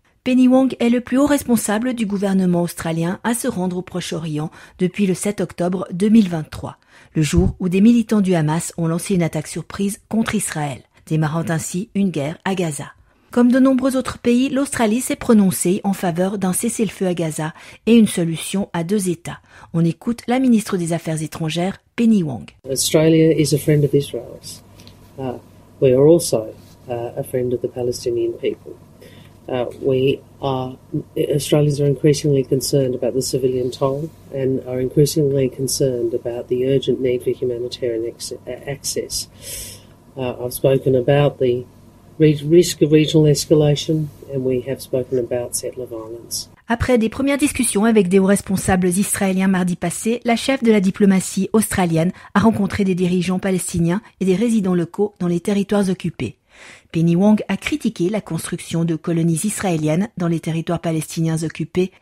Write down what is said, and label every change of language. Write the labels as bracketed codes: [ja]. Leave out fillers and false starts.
[fr] Penny Wong est le plus haut responsable du gouvernement australien à se rendre au Proche-Orient depuis le 7 octobre 2023, le jour où des militants du Hamas ont lancé une attaque surprise contre Israël, démarrant ainsi une guerre à Gaza. Comme de nombreux autres pays, l'Australie s'est prononcée en faveur d'un cessez-le-feu à Gaza et une solution à deux États. On écoute la ministre des Affaires étrangères, Penny Wong. [en] Australia is a friend of Israel's. We are also a friend of the Palestinian people. Australians are increasingly concerned about the civilian toll and are increasingly concerned about the urgent need for humanitarian access. I've spoken about the risk of regional escalation, and we have spoken about settler violence. [fr] Après des premières discussions avec des hauts responsables israéliens mardi passé, la chef de la diplomatie australienne a rencontré des dirigeants palestiniens et des résidents locaux dans les territoires occupés. Penny Wong a critiqué la construction de colonies israéliennes dans les territoires palestiniens occupés.